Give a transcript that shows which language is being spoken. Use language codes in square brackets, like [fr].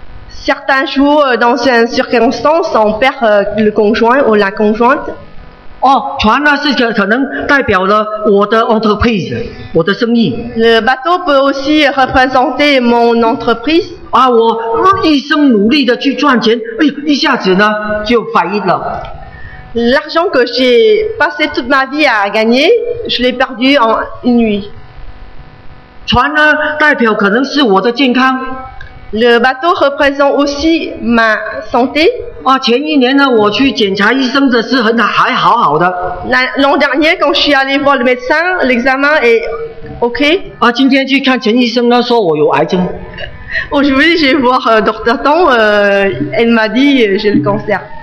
[fr] Certains jours, dans une circonstance, on perd le conjoint ou la conjointe. [zh] 哦，船呢是可能代表了我的 entreprise， 我的生意。 [fr] Le bateau peut aussi représenter mon entreprise. [zh] 啊，我一生努力的去赚钱，哎，一下子呢就failed了。 [fr] L'argent que j'ai passé toute ma vie à gagner, je l'ai perdu en une nuit. [zh] 船呢代表可能是我的健康。 [fr] Le bateau représente aussi ma santé. [zh] 啊，前一年呢，我去检查医生的时候，那还好好的。 [fr] L'an dernier, quand je suis allé voir le médecin, l'examen est OK. [zh] 啊，今天去看陈医生呢，说我有癌症。 [fr] Aujourd'hui, j'ai vu le docteur Tang, elle m'a dit j'ai le cancer.